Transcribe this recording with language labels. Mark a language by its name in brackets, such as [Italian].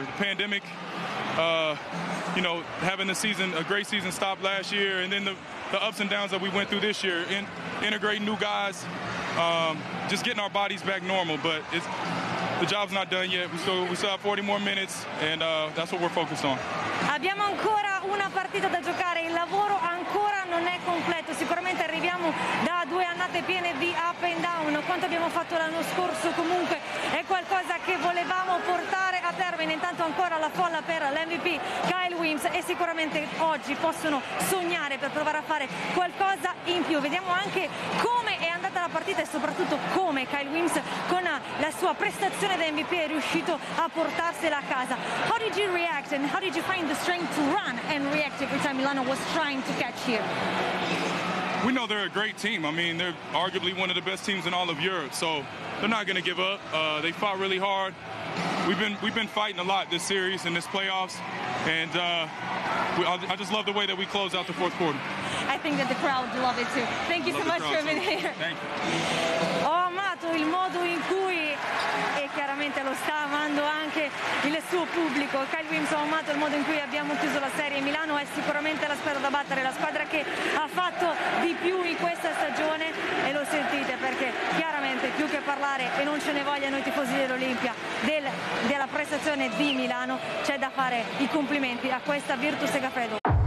[English] The pandemic, you know, having the season, a great season stop last year, and then the ups and downs that we went through this year, integrating new guys, just getting our bodies back normal. But it's, the job's not done yet. We still have 40 more minutes, and that's what we're focused on. [Italian] Abbiamo ancora una partita da giocare. Il lavoro ancora non è completo. Sicuramente arriviamo da due annate piene di [English] up and down. [Italian] Quanto abbiamo fatto l'anno scorso comunque è qualcosa che volevamo portare a termine. Intanto ancora la folla per l'MVP Kyle Williams e sicuramente oggi possono sognare per provare a fare qualcosa in più. Vediamo anche come è andata la partita e soprattutto come Kyle Williams con la sua prestazione da MVP è riuscito a portarsela a casa. [English] How did you react and how did you find the strength to run and react every time Milano was trying to catch you? We know they're a great team. I mean, they're arguably one of the best teams in all of Europe, so they're not going to give up. They fought really hard. We've been fighting a lot this series and this playoffs, and I just love the way that we close out the fourth quarter. I think that the crowd love it too. Thank you so much for being here. Thank you. [Italian] Ho amato il modo in cui, e chiaramente lo sta amando anche il suo pubblico, Kyle Williams, ha amato il modo in cui abbiamo chiuso la serie. Milano è sicuramente la squadra da battere, la squadra che ha fatto di più in questa stagione, e lo sentite perché chiaramente più che parlare, e non ce ne voglia noi tifosi dell'Olimpia, della prestazione di Milano, c'è da fare i complimenti a questa Virtus Segafredo.